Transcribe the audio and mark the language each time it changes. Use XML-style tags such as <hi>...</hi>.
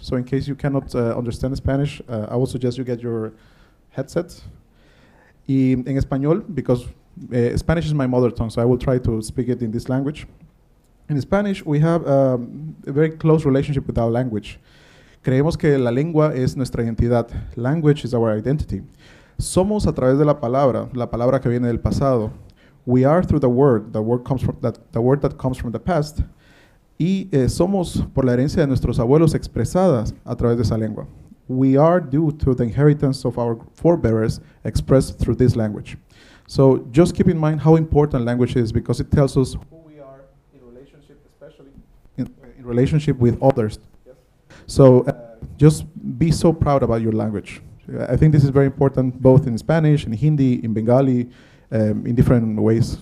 <en>So in case you cannot understand Spanish, I would suggest you get your headset. In español, because Spanish is my mother tongue, so I will try to speak it in this language. In Spanish, we have a very close relationship with our language.</en> <es>Creemos que la lengua es nuestra identidad.</es> <en>Language is our identity.</en> <es>Somos a través de la palabra que viene del pasado.</es> <en>We are through the word that comes from the past.</en> <es>Y somos por la herencia de nuestros abuelos expresadas a través de esa lengua.</es> <en>We are due to the inheritance of our forebears expressed through this language. So just keep in mind how important language is, because it tells us who we are in relationship, especially in relationship with others. So just be so proud about your language. I think this is very important, both in Spanish, in Hindi, in Bengali, in different ways.</en>